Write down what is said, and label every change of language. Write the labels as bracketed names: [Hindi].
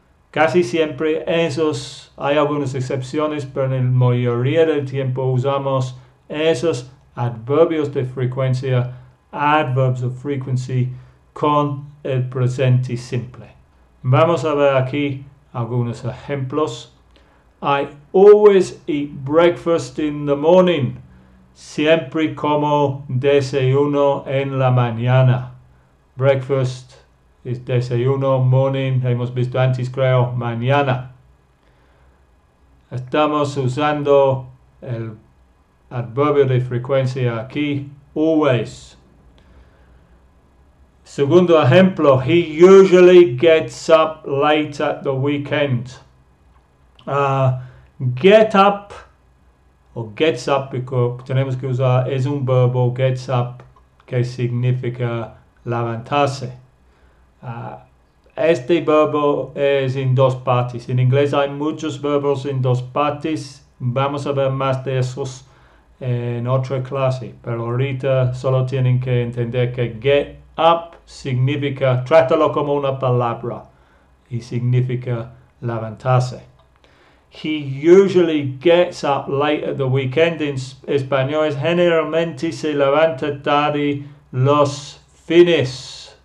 [Spanish] Casi siempre esos, hay algunas excepciones, pero en la mayoría del tiempo usamos esos adverbios de frecuencia, [English] adverbs of frequency, [Spanish] con el presente simple. Vamos a ver aquí algunos ejemplos. [English] I always eat breakfast in the morning. [Spanish] Siempre como desayuno en la mañana. Breakfast es desayuno, morning, hemos visto antes, creo, mañana. Estamos usando el adverbio de frecuencia aquí, always. Segundo ejemplo, [English] he usually gets up late at the weekend. [Spanish] Get up, o gets up, porque tenemos que usar, es un verbo, gets up, que significa levantarse. Este verbo es en dos partes. En inglés hay muchos verbos en dos partes. Vamos a ver más de esos en otra clase. Pero ahorita solo tienen que entender que get up significa, trátalo como una palabra, y significa levantarse. [English] He usually gets up late at the weekend. [Spanish] En español es generalmente se levanta tarde los fines.